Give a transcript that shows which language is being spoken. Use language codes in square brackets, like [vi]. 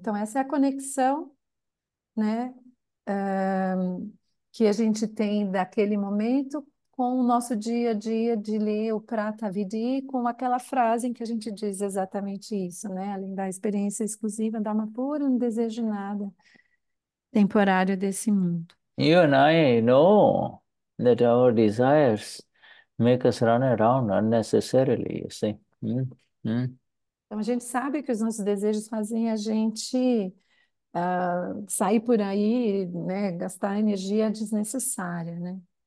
[pt] Então, essa é a conexão, né, que a gente tem daquele momento com o nosso dia a dia de ler o Prata Vidhi, com aquela frase em que a gente diz exatamente isso, né? Além da experiência exclusiva, da alma pura, não desejo nada temporário desse mundo. [en] You and I know that our desires make us run around unnecessarily, you see. [pt] Então, a gente sabe que os nossos desejos fazem a gente sair por aí, né, gastar energia desnecessária, né?